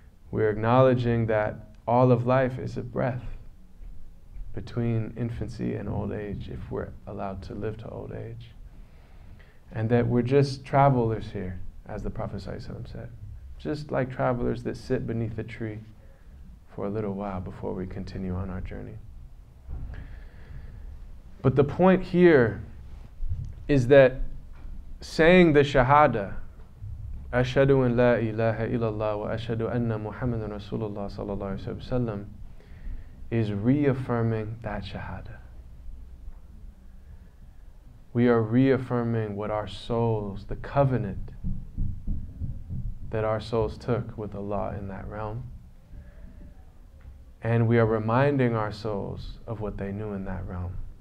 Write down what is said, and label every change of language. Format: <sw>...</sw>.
<en>We're acknowledging that all of life is a breath between infancy and old age, if we're allowed to live to old age. And that we're just travelers here, as the Prophet ﷺ said. Just like travelers that sit beneath a tree for a little while before we continue on our journey. But the point here is that saying the shahada,</en> <ar>أَشْهَدُ أَنْ لَا إِلَهَ إِلَّا اللَّهُ وَأَشْهَدُ أَنَّ مُحَمَّدًا رَسُولُ اللَّهِ صَلَى اللَّهُ عَلَيْهِ وَسَلَّمُ</ar> <en>is reaffirming that shahada. We are reaffirming what our souls, the covenant that our souls took with Allah in that realm. And we are reminding our souls of what they knew in that realm.</en>